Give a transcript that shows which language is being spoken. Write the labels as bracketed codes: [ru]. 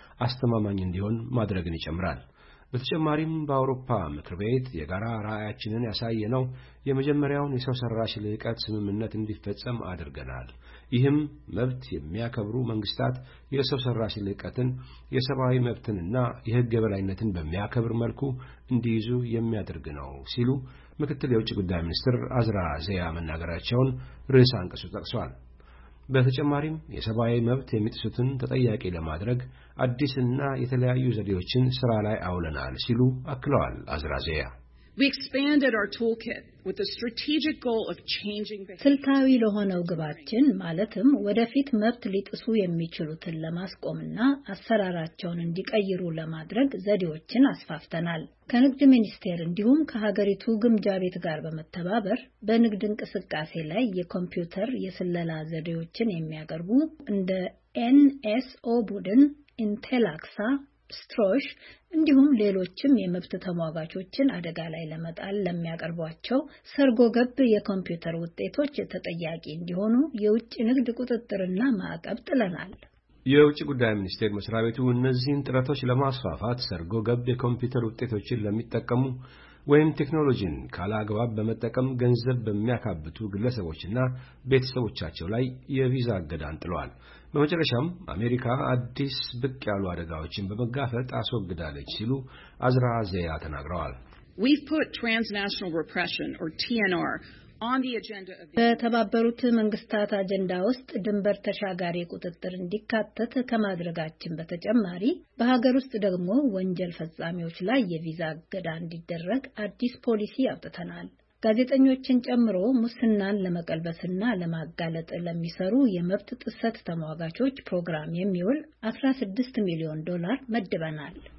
[am] አስተማማኝ እንዲሆን ማድረግን ይጨምራል። በተጨማሪም በአውሮፓ ምክር ቤት የጋራ ራዕያችንን ያሳየ ነው የመጀመሪያውን የሰው ሰራሽ ልህቀት ስምምነት እንዲፈጸም አድርገናል። ይህም መብት የሚያከብሩ መንግስታት የሰው ሰራሽ ልህቀትን፣ የሰብአዊ መብትንና የህግ የበላይነትን በሚያከብር መልኩ እንዲይዙ የሚያደርግ ነው ሲሉ ምክትል የውጭ ጉዳይ ሚኒስትር አዝራ ዘያ መናገራቸውን ርዕሰ አንቀጹ ጠቅሷል። በተጨማሪም የሰብአዊ መብት የሚጥሱትን ተጠያቂ ለማድረግ አዲስና የተለያዩ ዘዴዎችን ስራ ላይ አውለናል ሲሉ አክለዋል አዝራ ዘያ። [en] We expanded our toolkit with the strategic goal of changing behavior. [am] ስልታዊ ለሆነው ግባችን ማለትም ወደፊት መብት ሊጥሱ የሚችሉትን ለማስቆምና አሰራራቸውን እንዲቀይሩ ለማድረግ ዘዴዎችን አስፋፍተናል። ከንግድ ሚኒስቴር እንዲሁም ከሀገሪቱ ግምጃ ቤት ጋር በመተባበር በንግድ እንቅስቃሴ ላይ የኮምፒውተር የስለላ ዘዴዎችን የሚያቀርቡ እንደ NSO ቡድን፣ ኢንቴላክሳ፣ ስትሮሽ እንዲሁም ሌሎችም የመብት ተሟጋቾችን አደጋ ላይ ለመጣል ለሚያቀርቧቸው ሰርጎ ገብ የኮምፒውተር ውጤቶች ተጠያቂ እንዲሆኑ የውጭ ንግድ ቁጥጥርና ማዕቀብ ጥለናል። የውጭ ጉዳይ ሚኒስቴር መስሪያ ቤቱ እነዚህን ጥረቶች ለማስፋፋት ሰርጎ ገብ የኮምፒውተር ውጤቶችን ለሚጠቀሙ ወይም ቴክኖሎጂን ካላግባብ በመጠቀም ገንዘብ በሚያካብቱ ግለሰቦችና ቤተሰቦቻቸው ላይ የቪዛ እገዳን ጥሏል። በመጨረሻም አሜሪካ አዲስ ብቅ ያሉ አደጋዎችን በመጋፈጥ አስወግዳለች ሲሉ አዝራ ዘያ ተናግረዋል። [en] We've put transnational repression or TNR on the agenda of [am] በተባበሩት መንግስታት አጀንዳ ውስጥ ድንበር ተሻጋሪ ቁጥጥር እንዲካተት ከመድረጋችን በተጨማሪ በሀገር ውስጥ ደግሞ ወንጀል ፈጻሚዎች ላይ የቪዛ እገዳ እንዲደረግ አዲስ ፖሊሲ አውጥተናል። ጋዜጠኞችን ጨምሮ ሙስናን ለመቀልበስና ለማጋለጥ ለሚሰሩ የመብት ጥሰት ተሟጋቾች ፕሮግራም የሚውል 16 ሚሊዮን ዶላር መድበናል።